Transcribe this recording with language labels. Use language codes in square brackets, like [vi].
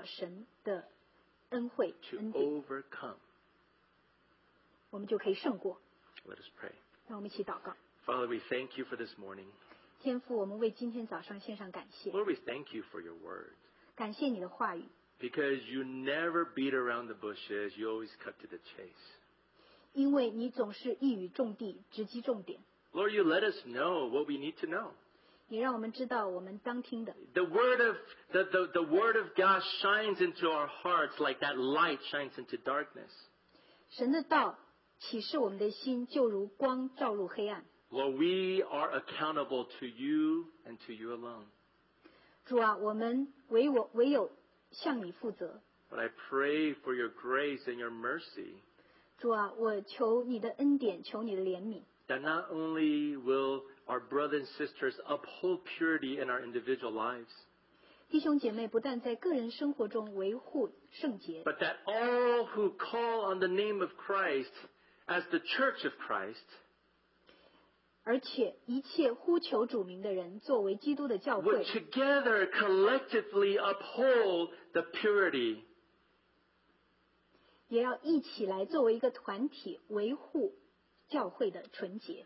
[zh] 让我们在各自的生命中看到神的恩惠。 [en] To overcome. [zh] 我们就可以胜过。 [en] Let us pray. [zh] 让我们一起祷告。 [en] Father, we thank you for this morning. [zh] 天父, 我们为今天早上献上感谢。 [en] Lord, we thank you for your word. [zh] 感谢你的话语。 [en] Because you never beat around the bushes, you always cut to the chase. [zh] 因为你总是一语中的, 直击重点。 [en] Lord, you let us know what we need to know. [zh] 也让我们知道我们当听的。 [en] The word of God shines into our hearts like that light shines into darkness. [zh] 神的道启示我们的心就如光照入黑暗。 [en] Lord, we are accountable to you and to you alone. [zh] 主啊, 我们唯有向你负责。 [en] But I pray for your grace and your mercy. [zh] 主啊, 我求你的恩典, 求你的怜悯。 [en] That not only will our brothers and sisters uphold purity in our individual lives, [zh] 弟兄姐妹不但在个人生活中维护圣洁 [en] but that all who call on the name of Christ as the church of Christ [zh] 而且一切呼求主名的人作为基督的教会 [en] would together collectively uphold the purity [zh] 也要一起来作为一个团体维护教会的纯洁